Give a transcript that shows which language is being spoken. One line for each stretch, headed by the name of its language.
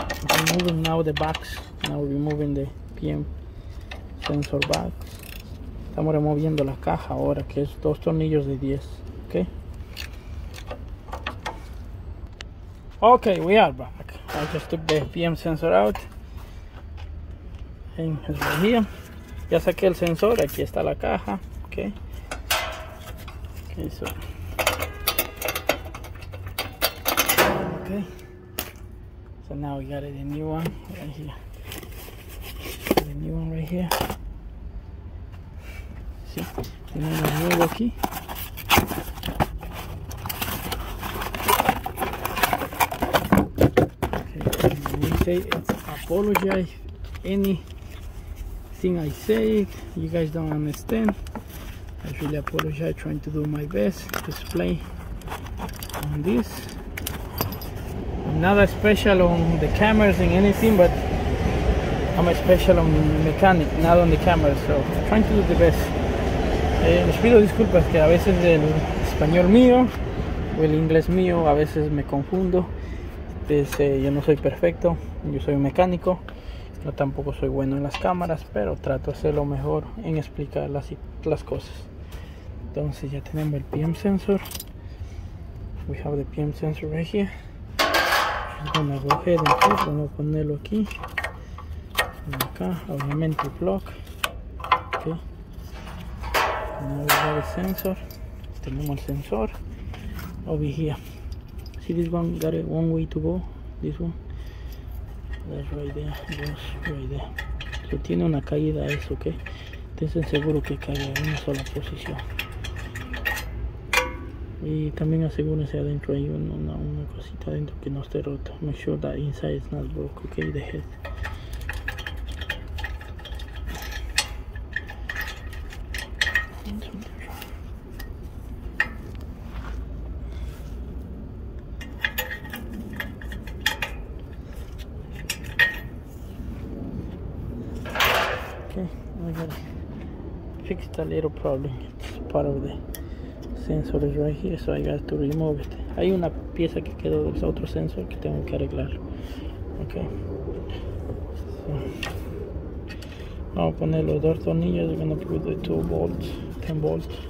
English: I'm removing now the box, now we're removing the sensor box.
Spanish: Estamos removiendo la caja ahora, que es dos tornillos de 10.
English: Okay, we are back. I just took the PM sensor out and it's right here.
Spanish: Ya saqué el sensor, aquí está la caja.
English: Okay, so. Okay. So now we got a new one right here. New one right here.
Spanish: See, tiene un nuevo aquí.
English: Okay, I say apologize. Anything I say, you guys don't understand. I really apologize. Trying to do my best to explain on this. I'm not a special on the cameras and anything, but I'm a special mechanic, not on the camera, so trying to do the best.
Spanish: Les pido disculpas que a veces el español mío o el inglés mío a veces me confundo. Yo no soy perfecto, yo soy un mecánico, no tampoco soy bueno en las cámaras, pero trato de hacer lo mejor en explicar las cosas. Entonces ya tenemos el PM sensor.
English: We have the PM sensor right here. I'm gonna go ahead and put,
Spanish: vamos a ponerlo aquí. Acá, obviamente, el plug. Okay. El sensor. Tenemos el sensor.
English: Over here. See this one? Got it one way to go. This one. That's right there. That's right there.
Spanish: So tiene una caída, eso, ok. Entonces, seguro que cae en una sola posición. Y también asegúrense adentro hay una cosita adentro que no esté rota.
English: Make sure that inside is not broke, ok. The head. Okay, I got fixed a little problem. It's part of the sensor is right here, so I got to remove it.
Spanish: Hay una pieza que quedó del otro sensor que tengo que arreglar. Okay. So, vamos a poner los dos tornillos.
English: We're gonna put the 2 volts, 10 volts.